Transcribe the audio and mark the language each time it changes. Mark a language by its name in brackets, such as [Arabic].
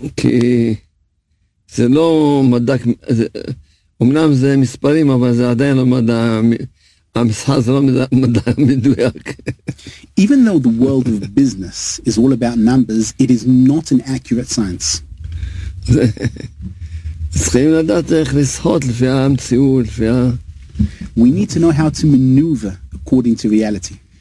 [Hebrew] כי זה לא מדע, אמנם זה מספרים, אבל זה עדיין לא מדע, המסחר זה לא מדע מדויק. [English] Even though the world of business is all about numbers, it is not an accurate science. [Hebrew] צריכים לדעת איך לסחות לפי המציאות, לפי ה... [English] We need to know how to maneuver according to reality.